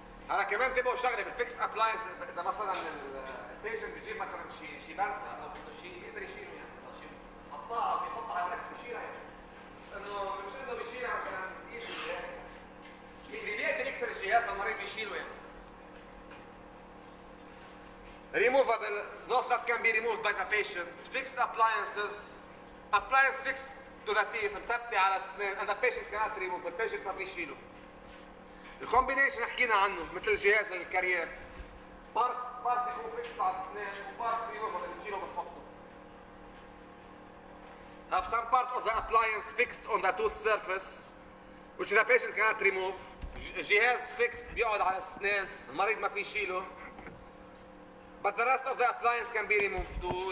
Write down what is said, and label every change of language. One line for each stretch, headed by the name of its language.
Arabic: هلا كمان تبقوا شغله بالفيكس ابلاينس اذا مثلا البيشنت بيجيب مثلا شي بنسه او بده شي بيقدر يشيله يعني حطها بيحطها على ورقه بيشيلها يعني لانه مش بيشيلها مثلا يشيل الجهاز بيقدر يكسر الجهاز المريض بيشيله يعني.
English: Removable, those that can be removed by the patient. Fixed appliances, appliance fixed to the teeth,
Arabic: مثبتة على الأسنان,
English: and the patient cannot remove, the patient
Arabic: ما في شيله. الكومبينيشن حكينا عنه مثل الجهاز الكارير. بارت يكون فيكس على الأسنان وبارت ريموفبل تشيله وتحطه.
English: Have some part of the appliance fixed on the tooth surface, which the patient cannot remove.
Arabic: جهاز fixed بيقعد على الأسنان, المريض ما في شيله.
English: But the rest of the appliance can be removed.